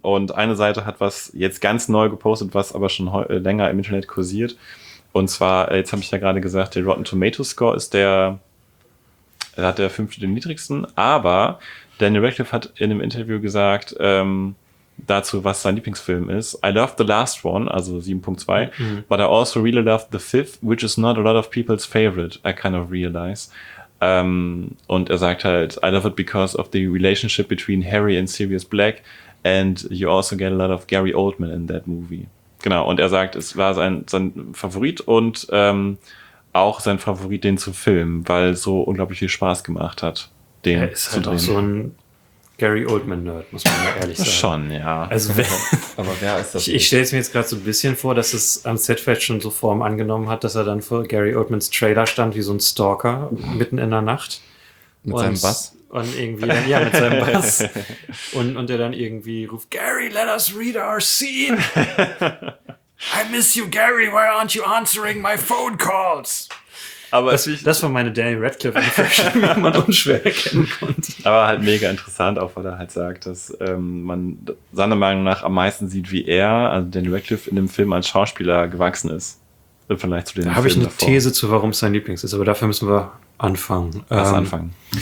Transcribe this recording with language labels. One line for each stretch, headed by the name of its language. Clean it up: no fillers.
German: Und eine Seite hat was jetzt ganz neu gepostet, was aber schon länger im Internet kursiert. Und zwar, jetzt habe ich ja gerade gesagt, der Rotten Tomatoes Score ist der fünfte den niedrigsten. Aber Daniel Radcliffe hat in einem Interview gesagt, dazu, was sein Lieblingsfilm ist.
English: I loved the last one, also 7.2, but I also really loved the fifth, which is not a lot of people's favorite, I kind of realize.
German: Und er sagt halt,
English: I love it because of the relationship between Harry and Sirius Black and you also get a lot of Gary Oldman in that movie.
German: Genau, und er sagt, es war sein Favorit und auch sein Favorit, den zu filmen, weil es so unglaublich viel Spaß gemacht hat, den zu drehen. Er ist halt auch so ein Gary Oldman-Nerd, muss man mal ehrlich sagen. Schon, ja. Also, aber wer ist das? Ich stelle es mir jetzt gerade so ein bisschen vor, dass es am Set vielleicht schon so Form angenommen hat, dass er dann vor Gary Oldmans Trailer stand, wie so ein Stalker, mitten in der Nacht. Seinem Bass? Und irgendwie, dann, ja, mit seinem Bass. Und er dann irgendwie ruft, Gary,
English: let us read our scene. I miss you, Gary, why aren't you answering my phone calls?
German: Aber das war meine Daniel Radcliffe-Impression, die man unschwer erkennen konnte. Aber halt mega interessant, auch weil er halt sagt, dass man seiner Meinung nach am meisten sieht, wie er, also Daniel Radcliffe, in dem Film als Schauspieler gewachsen ist. Im Vergleich zu den Filmen. Da habe ich eine davor. These zu, warum es sein Lieblings ist, aber dafür müssen wir anfangen.